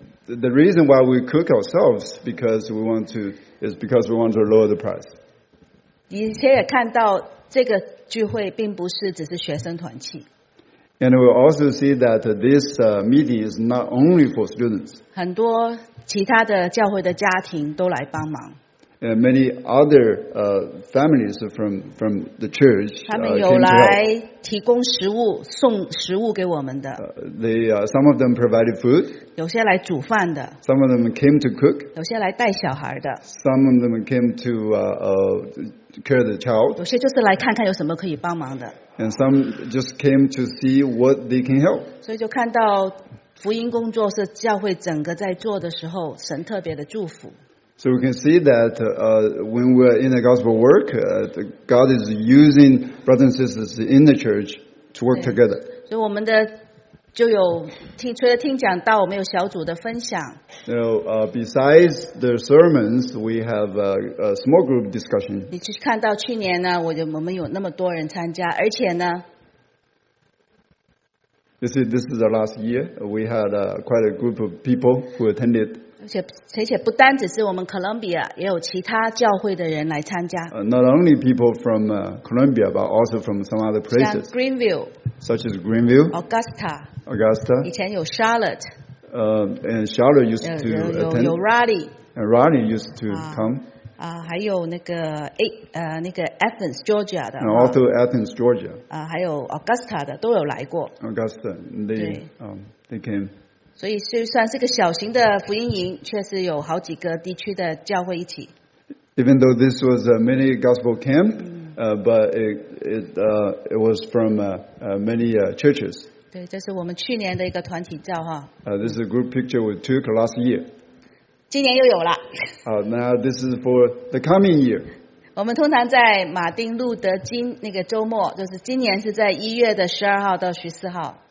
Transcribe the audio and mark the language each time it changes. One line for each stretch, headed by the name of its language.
English: The reason why we cook ourselves because we want to is because we want to lower the price.
Chinese: 以前也看到这个聚会并不是只是学生团契。
English: And we also see that this meeting is not only for students.
Chinese: 很多其他的教会的家庭都来帮忙。
English: And many other families from the church.
Chinese: 他们有来提供食物，送食物给我们的。
English: Some of them provided food.
Chinese: 有些来煮饭的。
English: Some of them came to cook.
Chinese: 有些来带小孩的。
English: Some of them came to care the child.
Chinese: 有些就是来看看有什么可以帮忙的。
English: And some just came to see what they can help.
Chinese: 所以就看到福音工作是教会整个在做的时候，神特别的祝福。
English: So we can see that when we're in the gospel work, God is using brothers and sisters in the church to work together.
Chinese: 所以我们的就有听除了听讲道，我们有小组的分享。
English: So besides the sermons, we have a small group discussion.
Chinese: 你去看到去年呢，我们有那么多人参加，而且呢。
English: You see, this is the last year. We had quite a group of people who attended.
Chinese: 而且不单只是我们 Columbia， 也有其他教会的人来参加。
English: Not only people from Columbia, but also from some other places.
Chinese: 像 Greenville,
English: such as Greenville,
Chinese: Augusta. 以前有 Charlotte.
English: And Charlotte used to attend.
Chinese: 有 Raleigh.
English: And Raleigh used to come.
Chinese: 还有那个 Athens, Georgia 的。
English: And also Athens, Georgia.
Chinese: 还有 Augusta 的都有来过。
English: Augusta, they came.
Chinese: 所以就算是个小型的福音营，确实有好几个地区的教会一起。
English: Even though this was a mini gospel camp, but it was from many churches.
Chinese: 对，这是我们去年的一个团体照哈。
English: This is a group picture we took last year.
Chinese: 今年又有了。
English: Now this is for the coming year.
Chinese: 我们通常在马丁路德金那个周末，就是今年是在一月的十二号到十四号。